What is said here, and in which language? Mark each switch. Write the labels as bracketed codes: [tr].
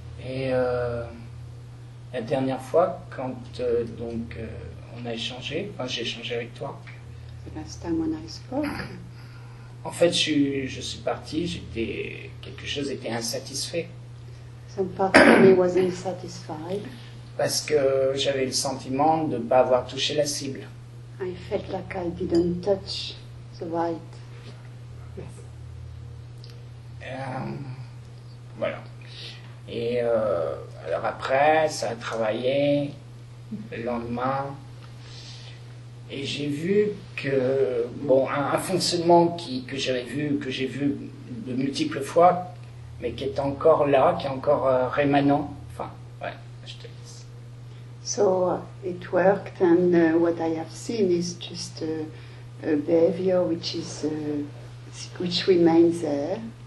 [fr] Et la dernière fois, quand on a échangé, enfin, j'ai échangé avec toi. [en] The last time when I spoke. [fr] En fait, je suis parti, j'étais, quelque chose était insatisfait. [en] Some part of me was unsatisfied. [fr] Parce que j'avais le sentiment de ne pas avoir touché la cible. [en] I felt like I didn't touch the right. Yes. [fr] Voilà. Et alors après, ça a travaillé, le lendemain. Et j'ai vu que, bon, un fonctionnement que j'ai vu de multiples fois, mais qui est encore là, qui est encore rémanent. Enfin, ouais, je te laisse. [en] So, it worked, and what I have seen is just a behavior which remains there.